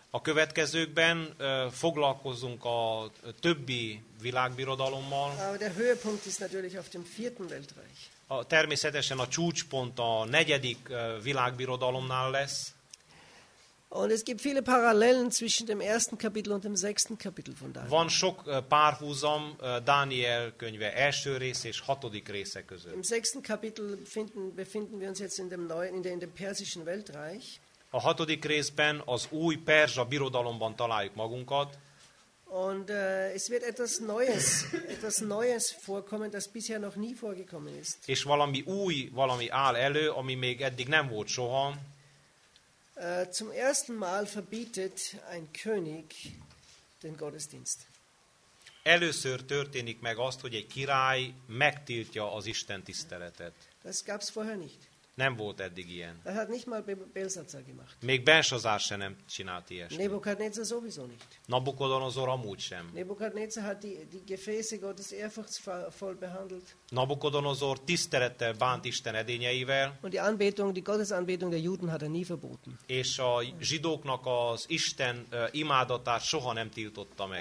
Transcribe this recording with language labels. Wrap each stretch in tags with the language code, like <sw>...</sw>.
<hu>A következőkben foglalkozunk a többi világbirodalommal.</hu> <de>Aber der Höhepunkt ist natürlich auf dem vierten Weltreich.</de> <hu>Természetesen a csúcspont a negyedik világbirodalomnál lesz.</hu> <de>Und es gibt viele Parallelen zwischen dem ersten Kapitel und dem sechsten Kapitel von Daniel.</de> <hu>Van sok párhuzam Dániel könyve első rész és hatodik része között.</hu> <de>Im sechsten Kapitel befinden wir uns jetzt in dem neuen, in dem persischen Weltreich.</de> <hu>A hatodik részben az új perzsa birodalomban találjuk magunkat.</hu> <de>Und es wird etwas Neues vorkommen, das bisher noch nie vorgekommen ist.</de> <hu>És valami új, valami áll elő, ami még eddig nem volt soha.</hu> <de>Zum ersten Mal verbietet ein König den Gottesdienst.</de> <hu>Először történik meg azt, hogy egy király megtiltja az Isten tiszteletet.</hu> <de>Das gab's vorher nicht.</de> <hu>Nem volt eddig ilyen.</hu> <de>Das hat nicht mal Belsazar gemacht.</de> <hu>Még Belsazar sem nem csinált ilyesmit.</hu> <de>Nebukadnezar sowieso nicht.</de> <hu>Nabukodonozor amúgy sem.</hu> <de>Nebukadnezar hat die Gefäße Gottes ehrfurchtsvoll behandelt.</de> <hu>Nabukodonozor tisztelettel bánt Isten edényeivel.</hu> <de>Und die Anbetung, die Gottesanbetung der Juden hat er nie verboten.</de> <hu>És a zsidóknak az Isten imádatát soha nem tiltotta meg.</hu>